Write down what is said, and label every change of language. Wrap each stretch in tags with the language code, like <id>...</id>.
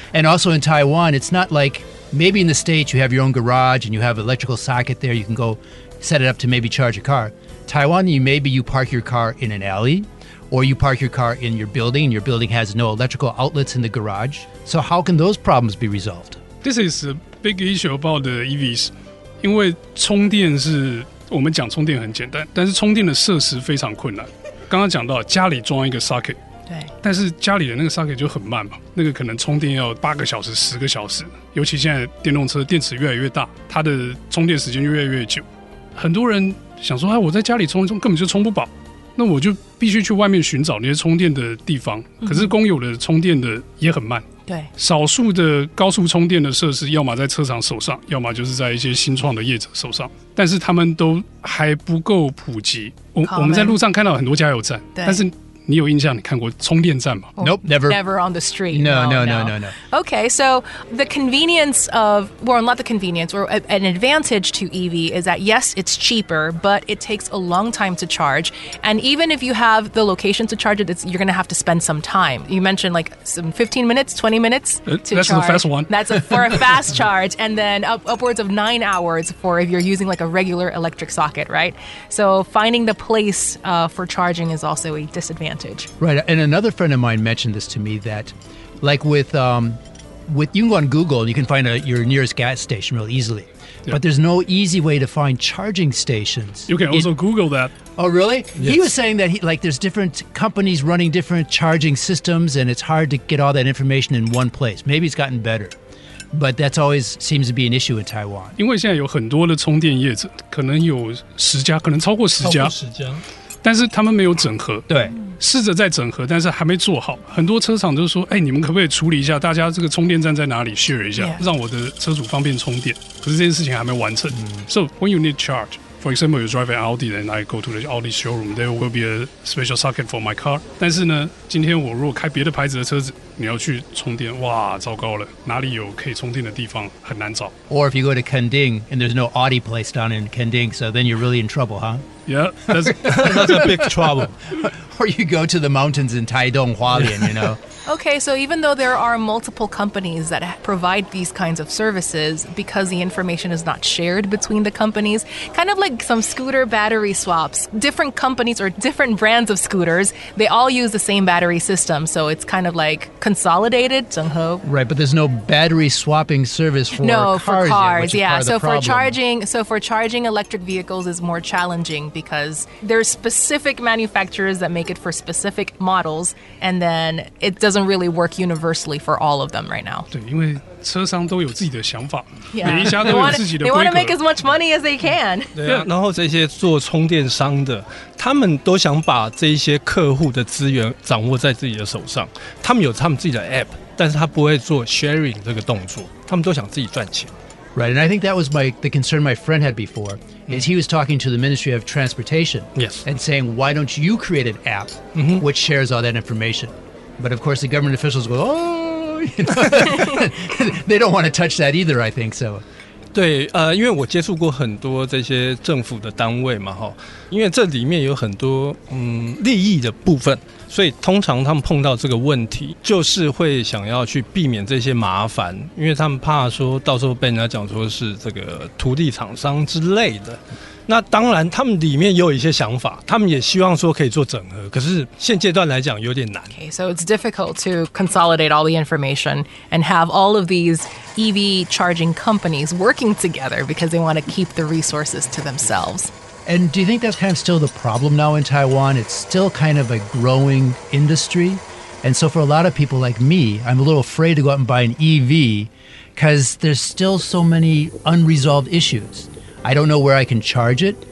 <en>And also in Taiwan, it's not like maybe in the States, you have your own garage and you have an electrical socket there. You can go set it up to maybe charge a car. Taiwan, you park your car in an alley or you park your car in your building and your building has no electrical outlets in the garage. So how can those problems be resolved? This is a big issue about the EVs.</en> <zh>因为充电是我们讲充电很简单，但是充电的设施非常困难。刚刚讲到家里装一个 socket，对，但是家里的那个 socket 就很慢嘛，那个可能充电要8个小时、10个小时，尤其现在电动车电池越来越大，它的充电时间越来越久。很多人想说，哎，我在家里充一充根本就充不饱，那我就必须去外面寻找那些充电的地方。可是公有的充电的也很慢，对，少数的高速充电的设施，要么在车厂手上，要么就是在一些新创的业者手上。但是他们都还不够普及。我们在路上看到很多加油站，但是你有印象你看过充电站吗、</zh> <en>oh, Nope, never. Never on the street. No. Okay, so the convenience of, well, not the convenience, or an advantage to EV is that, yes, it's cheaper, but it takes a long time to charge. And even if you have the location to charge it, it's, you're going to have to spend some time. You mentioned like some 15 minutes, 20 minutes to charge. That's the fast one. That's for a fast charge. And then upwards of 9 hours for if you're using like a regular electric socket, right? So finding the place for charging is also a disadvantage. Advantage. Right. And another friend of mine mentioned this to me that like with you can go on Google and you can find your nearest gas station real easily. Yeah. But there's no easy way to find charging stations. You can also Google that. Oh, really? Yes. He was saying that there's different companies running different charging systems and it's hard to get all that information in one place. Maybe it's gotten better. But that's always seems to be an issue in Taiwan.</en> <zh>因为现在有很多的充电业者，可能有十家，可能超过十家，超过十家，但是他们没有整合。对，试着在整合，但是还没做好。很多车厂就说：“哎，你们可不可以处理一下，大家这个充电站在哪里 ，share 一下， yeah. 让我的车主方便充电。” 可是这件事情还没完成。</zh> <en>So when you need charge, for example, you drive an Audi, then I go to the Audi showroom. There will be a special socket for my car.</en> <zh>但是呢，今天我如果开别的牌子的车子。你要去充电，哇，糟糕了！哪里有可以充电的地方很难找。</zh> <en>Or if you go to Kending and there's no Audi place down in Kending, so then you're really in trouble, huh? Yeah, that's a big trouble. Or you go to the mountains in Taidong, Hualien,、yeah. you know. Okay, so even though there are multiple companies that provide these kinds of services, because the information is not shared between the companies, kind of like some scooter battery swaps, different companies or different brands of scooters, they all use the same battery system, so it's kind of like. Consolidated, 整合. Right, but there's no battery swapping service for no, No, for cars, yet, yeah. So for, charging, electric vehicles is more challenging because there's specific manufacturers that make it for specific models, and then it doesn't really work universally for all of them right now.</en> <zh>对，因为车商都有自己的想法、</zh> <en>yeah.</en> <zh>每一家都有自己的规格</zh> <en>they want to make as much money as they can</en> <zh>对、啊、然后这些做充电商的他们都想把这些客户的资源掌握在自己的手上他们有他们自己的 app 但是他不会做 sharing 这个动作他们都想自己赚钱</zh> <en>Right, and I think that was the concern my friend had before is he was talking to the Ministry of Transportation Yes and saying why don't you create an app which shares all that information but of course the government officials go ohthey don't want to touch that either, I think so.</en> <zh>对、因为我接触过很多这些政府的单位嘛因为这里面有很多、利益的部分所以通常他们碰到这个问题就是会想要去避免这些麻烦因为他们怕说到时候被人家讲说是这个土地厂商之类的那当然他们里面也有一些想法他们也希望说可以做整合可是现阶段来讲有点难</zh> <en>Okay, so it's difficult to consolidate all the information and have all of these EV charging companies working together because they want to keep the resources to themselves And do you think that's kind of still the problem now in Taiwan? It's still kind of a growing industry And so for a lot of people like me I'm a little afraid to go out and buy an EV because there's still so many unresolved issuesI don't know where I can charge it.</en>